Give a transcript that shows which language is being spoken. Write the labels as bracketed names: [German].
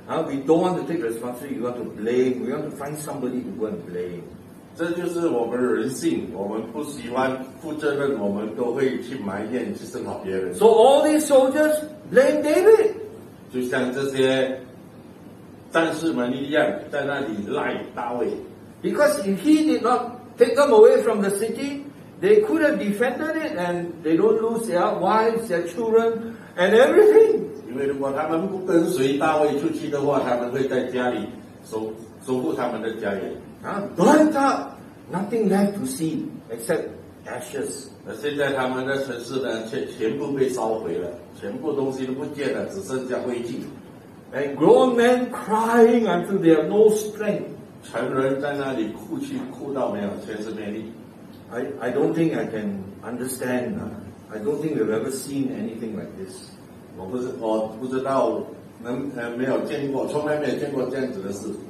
[English] We don't want to take responsibility, we want to blame, we want to find somebody to go and blame. [Chinese] 这就是我们的人性，我们不喜欢负责任，我们都会去埋怨，去声讨别人。 [English] So all these soldiers blame David. [Chinese] 就像这些战士们一样，在那里赖大卫。 [English] Because if he did not take them away from the city, they could have defended it and they don't lose their wives, their children and everything. [Chinese] 因为如果他们不跟随大卫出去的话，他们会在家里守护他们的家园。 [English] Burnt up, nothing left to see except ashes. [Chinese] 而现在他们的城市呢，全部被烧毁了，全部东西都不见了，只剩下灰烬。 [English] And grown men crying until they have no strength. [Chinese] 成人在那里哭泣，哭到没有，全是没力。 [English] I don't think I can understand. I don't think we've ever seen anything like this. [Chinese] 我不知道从来没有见过这样子的事。